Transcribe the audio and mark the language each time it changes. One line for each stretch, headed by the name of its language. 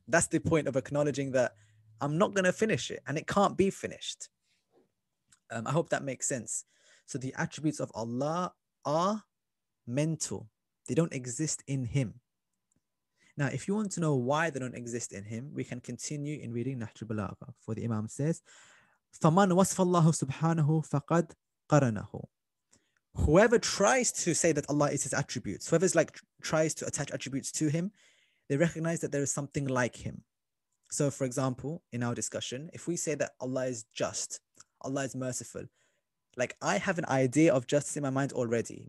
English: That's the point of acknowledging that I'm not going to finish it, and it can't be finished. I hope that makes sense. So the attributes of Allah are mental. They don't exist in Him. Now, if you want to know why they don't exist in Him, we can continue in reading Nahjul Balagha. For the Imam says,
Arabic: فَمَنْ وَصْفَ اللَّهُ سُبْحَانَهُ فَقَدْ قَرَنَهُ.
English: Whoever tries to say that Allah is His attributes, whoever's like tries to attach attributes to Him, they recognize that there is something like Him. So for example, in our discussion, if we say that Allah is just, Allah is merciful, like I have an idea of justice in my mind already.